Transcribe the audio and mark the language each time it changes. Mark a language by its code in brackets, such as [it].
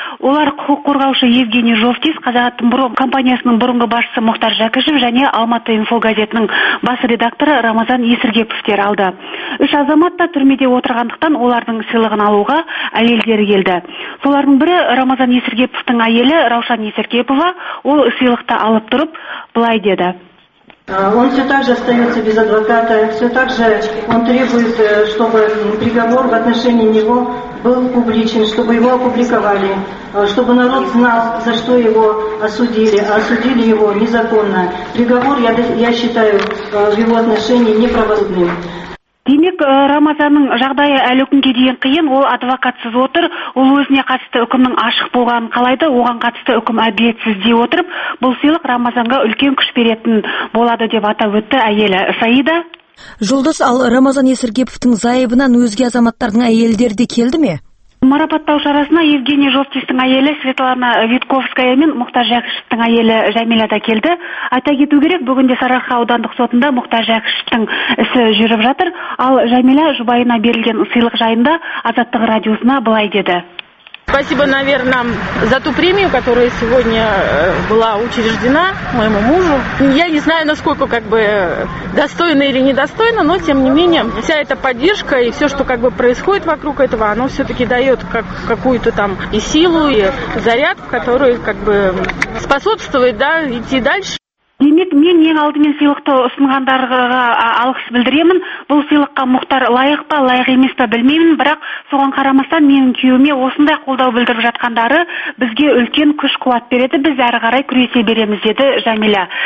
[kk] Олар құқық қорғаушы Евгений Жовтис, Қазатомпром компаниясының бұрынғы басшысы Мұхтар Жәкішев және Алматы инфо газетінің бас редакторы Рамазан Есіргеповтер алды. 3 азамат та түрмеде отырғандықтан олардың сыйлығын алуға әйелдері келді. Солардың бірі Рамазан Есіргеповтің әйелі Раушан Есіргепова, ол сыйлықты алып тұрып былай деді. [ru] Он все так же остается без адвоката, все так же он требует, чтобы приговор в отношении него был публичен, чтобы его опубликовали, чтобы народ знал, за что его осудили, а осудили его незаконно. Приговор, я считаю, в его отношении неправосудным. [kk] Демек, Рамазанның жағдайы әлі күнге дейін қиын, ол адвокатсыз отыр, ол өзіне қатысты үкімнің ашық болғанын қалайды, оған қатысты үкім әділетсіз дей отырып, бұл сыйлық Рамазанға үлкен күш беретін болады деп атап өтті әйелі Саида. Жұлдыз, ал Рамазан Есіргеповтің зайыбынан өзге азаматтардың әйелдері де келді ме? Марапаттаушы арасына Евгений Жовтистің әйелі Светлана Витковская мен Мұхтар Жәкішевтің әйелі Жәмиля да келді. Айта кету керек, бүгінде Сарыарқа аудандық сотында Мұхтар Жәкішевтің ісі жүріп жатыр. Ал Жәмиля жұбайына берілген сыйлық жайында Азаттық радиосына былай деді. [ru] Спасибо, наверное, за ту премию, которая сегодня была учреждена моему мужу. Я не знаю, насколько как бы достойно или недостойно, но тем не менее, вся эта поддержка и все, что как бы происходит вокруг этого, оно все-таки дает как, какую-то там и силу, и заряд, который как бы способствует, да, идти дальше. [kk] Демек, мен ең алдымен сыйлықты ұсынғандарға алғыс білдіремін. Бұл сыйлыққа Мұхтар лайық па, лайық емес па білмеймін, бірақ соған қарамастан менің күйеуіме осындай қолдау білдіріп жатқандары бізге үлкен күш-қуат береді, біз әрі қарай күресе береміз, деді Жәмила.